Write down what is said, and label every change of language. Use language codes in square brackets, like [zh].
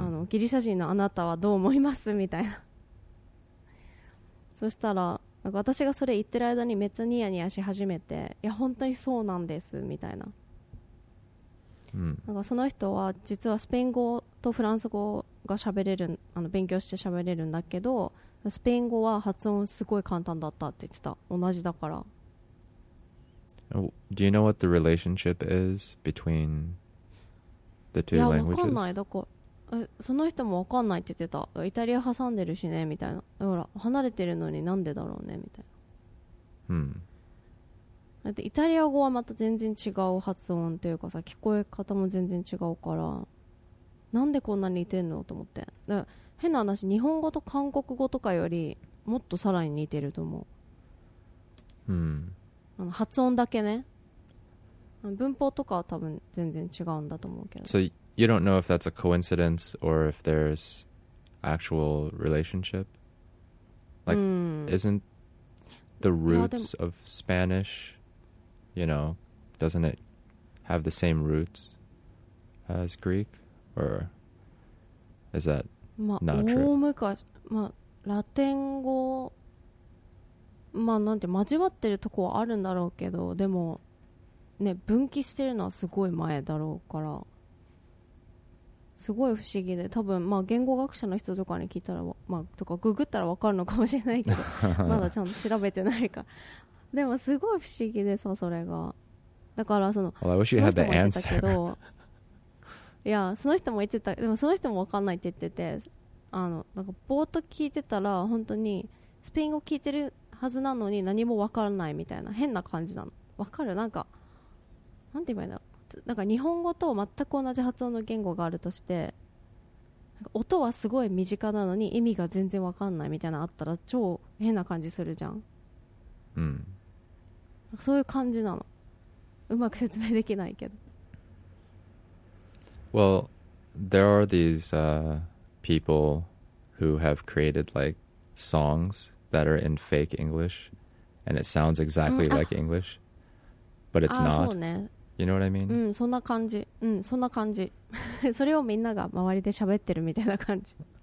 [ja] あのギリシャ人のあなたはどう思いますみたいな。そしたらなんか私がそれ言ってる間にめっちゃニヤニヤし始めて、いや本当にそうなんですみたいな、うん、なんかその人は実はスペイン語とフランス語が喋れる、あの勉強して喋れるんだけど、スペイン語は発音すごい簡単だったって言ってた。同じだから。 [en] Do you know what the relationship is between the two languages? [ja] いや、わかんない。だから、その人もわかんないって言ってた。イタリア挟んでるしね、みたいな。だから、離れてるのになんでだろうね、みたいな。 Hmm. だって、イタリア語はまた全然違う発音というかさ、聞こえ方も全然違うから、なんでこんなに似てんのと思って。だから変な話、日本語と韓国語とかよりもっとさらに似てると思う。 Hmm. あの発音だけね。文法とかは多分全然違うんだと思うけど。 [en] So you don't know if that's a coincidence or if there's actual relationship? Like,、 [ja] うん、 [en] isn't the roots of Spanish, you know, doesn't it have the same roots as Greek? Or is that not true? [ja] まあ、大昔、まあ、ラテン語、まあ、なんて交わってるとこはあるんだろうけど、でもね、分岐してるのはすごい前だろうから、すごい不思議で、多分まあ言語学者の人とかに聞いたら、まあ、とかググったら分かるのかもしれないけど、まだちゃんと調べてないから。でもすごい不思議でさ、それが。だからその、 [en] well, I wish you had the answer. [ja] いや、その人も言ってた。でもその人も分かんないって言ってて、あのなんかぼーっと聞いてたら本当にスペイン語聞いてるはずなのに何も分からないみたいな変な感じなの。分かる、なんかなんて言えばいいんだろう、なんか日本語と全く同じ発音の言語があるとして、なんか音はすごい身近なのに意味が全然分かんないみたいなあったら超変な感じするじゃん。うん、なんかそういう感じなの。うまく説明できないけど。 [en] Well, there are these、people who have created like songsthat are in fake English and it sounds exactly like English but it's not、 [ja] ね、 [en] you know what I mean? [ja] うん、そんな感じ、うん、そんな感じ。それをみんなが周りで喋ってるみたいな感じ。